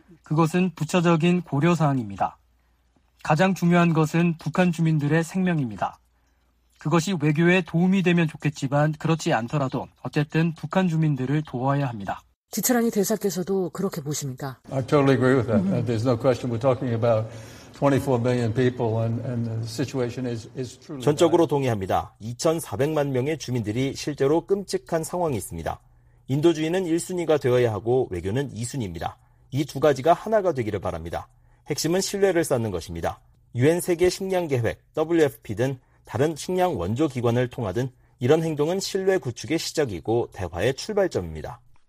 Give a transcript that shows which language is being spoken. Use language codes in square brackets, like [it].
[ko] 그것은 부차적인 고려 사항입니다. 가장 중요한 것은 북한 주민들의 생명입니다. 그것이 외교에 도움이 되면 좋겠지만 그렇지 않더라도 어쨌든 북한 주민들을 도와야 합니다. 디트라니 대사께서도 그렇게 보십니까? [en] I totally agree with that. There's no question we're talking about 24 million people and the situation is truly [ko] 전적으로 동의합니다. 2,400만 명의 주민들이 실제로 끔찍한 상황이 있습니다. 인도주의는 1순위가 되어야 하고 외교는 2순위입니다. 이 두 가지가 하나가 되기를 바랍니다. 핵심은 신뢰를 쌓는 것입니다. 유엔 세계 식량 계획, WFP든 다른 식량 원조 기관을 통하든 이런 행동은 신뢰 구축의 시작이고 대화의 출발점입니다.